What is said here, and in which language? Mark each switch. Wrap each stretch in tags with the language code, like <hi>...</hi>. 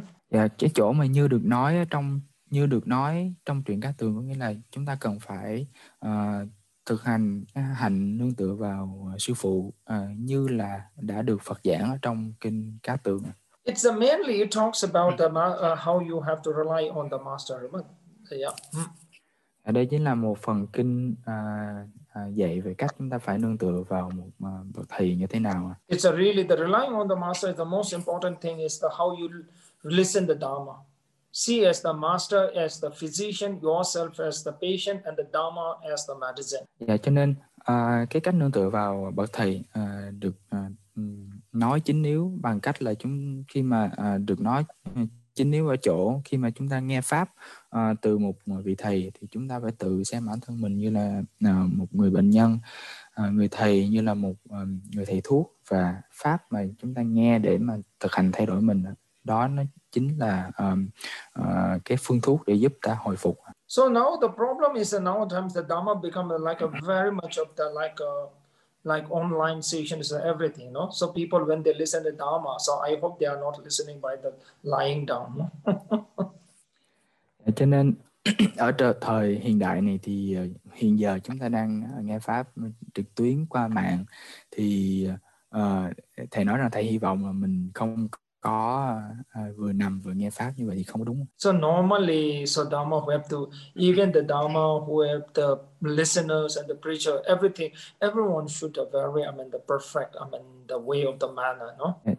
<vi>Cái chỗ mà như được nói trong truyện Cát Tường có nghĩa là chúng ta cần phải thực hành hành nương tựa vào sư phụ như là đã được Phật giảng ở trong kinh Cát Tường.</vi> <en>It's mainly it talks about the how you have to rely on the master.</en> <vi>Ở đây chính là một phần kinh dạy về cách chúng ta phải nương tựa vào một bậc thầy như thế nào.</vi> <en>It's really the relying on the master is the most important thing is the how you listen the dharma. See as the master, as the physician, yourself as the patient, and the Dharma as the medicine.</en> <vi>Dạ, cho nên cái cách nương tựa vào bậc thầy được nói chính yếu bằng cách là chúng khi mà được nói chính yếu ở chỗ khi mà chúng ta nghe pháp từ một vị thầy thì chúng ta phải tự xem bản thân mình như là một người bệnh nhân, người thầy như là một người thầy thuốc, và pháp mà chúng ta nghe để mà thực hành thay đổi mình đó nó chính là cái phương thuốc để giúp ta hồi phục.</vi> <en>So now the problem is that nowadays the Dharma become like a very much of the like online sessions and everything, no? So people when they listen to Dharma, so I hope they are not listening by the lying down.</en> <vi>Cho nên ở thời hiện đại này thì hiện giờ chúng ta đang nghe pháp trực tuyến qua mạng thì thầy nói rằng thầy hy vọng là mình không có vừa nằm vừa nghe pháp như vậy thì không có đúng.</vi> <en>So normally, so Dharma who have to, even the Dharma who have the listeners and the preacher, everything, everyone should have very, the perfect, the way of the manner, no?</en>